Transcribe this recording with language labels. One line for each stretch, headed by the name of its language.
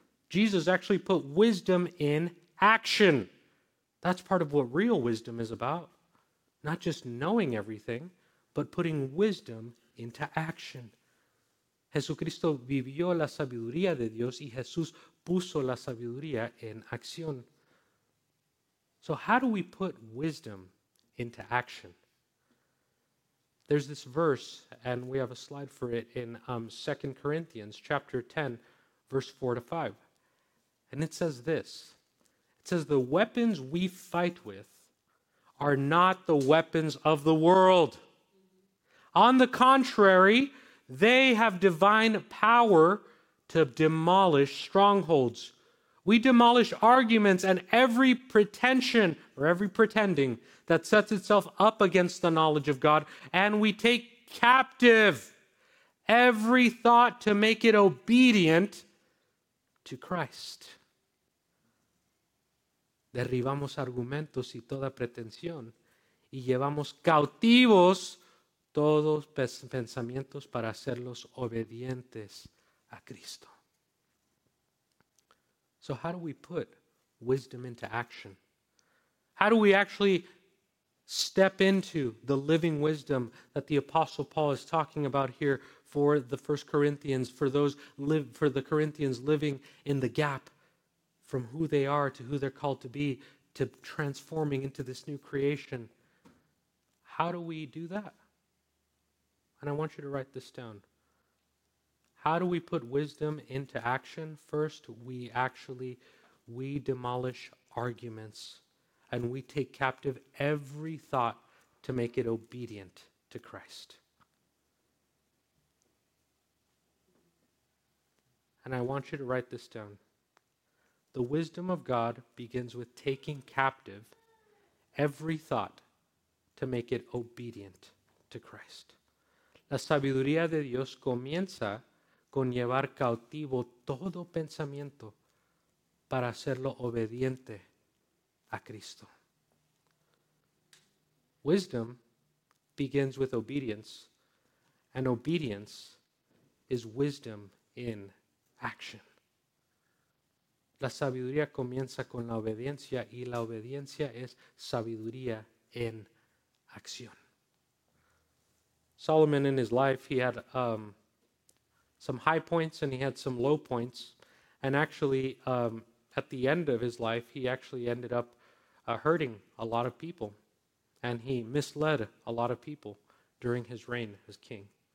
English: Jesus actually put wisdom in action. That's part of what real wisdom is about. Not just knowing everything, but putting wisdom into action.
Spanish: Jesucristo vivió la sabiduría de Dios y Jesús puso la sabiduría en acción.
English: So how do we put wisdom into action? there's this verse, and we have a slide for it in 2 Corinthians chapter 10, verse 4 to 5. And it says this. It says, the weapons we fight with are not the weapons of the world. On the contrary, they have divine power to demolish strongholds. We demolish arguments and every pretension or every pretending that sets itself up against the knowledge of God, and we take captive every thought to make it obedient to Christ.
Spanish: Derribamos argumentos y toda pretensión y llevamos cautivos todos pensamientos para hacerlos obedientes a Cristo.
English: So how do we put wisdom into action? How do we actually step into the living wisdom that the Apostle Paul is talking about here for the First Corinthians, for the Corinthians living in the gap from who they are to who they're called to be, to transforming into this new creation? How do we do that? And I want you to write this down. How do we put wisdom into action? First, we demolish arguments and we take captive every thought to make it obedient to Christ. And I want you to write this down. The wisdom of God begins with taking captive every thought to make it obedient to Christ.
Spanish: La sabiduría de Dios comienza con llevar cautivo todo pensamiento para hacerlo obediente a Cristo.
English: Wisdom begins with obedience, and obedience is wisdom in action.
Spanish: La sabiduría comienza con la obediencia, y la obediencia es sabiduría en acción.
English: Solomon, in his life, he had some high points and he had some low points. And actually, at the end of his life, he actually ended up hurting a lot of people. And he misled a lot of people during his reign as king.